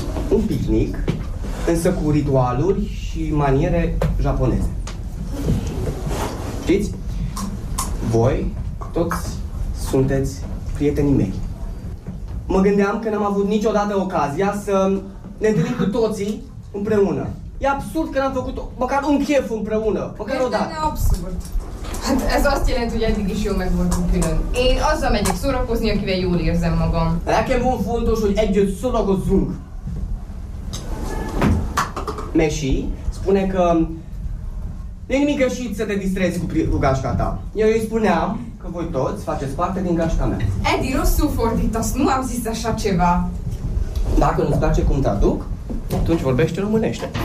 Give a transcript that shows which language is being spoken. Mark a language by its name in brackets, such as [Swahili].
[Romanian] Un picnic, însă cu ritualuri și maniere japoneze. Știți? Voi toți sunteți prietenii mei. Mă gândeam că n-am avut niciodată ocazia să ne întâlnim cu toții împreună. E absurd că n-am făcut măcar un chef împreună, măcar o dată. Este absurd. [Hungarian] Ez azt jelenti, hogy eddig is jól meg voltunk külön. Én azzal megyek szórakozni, akivel jól érzem magam. Nekem volt fontos, hogy együtt szórakozzunk. [Romanian] Messi spune că nu e nimic greșit să te distrezi cu gașca ta. Eu îi spuneam că voi toți faceți parte din gașca mea. Edi, [Hungarian] rosul forditas, [Romanian] nu am zis așa ceva. Dacă nu-ți place cum traduc, atunci vorbește românește.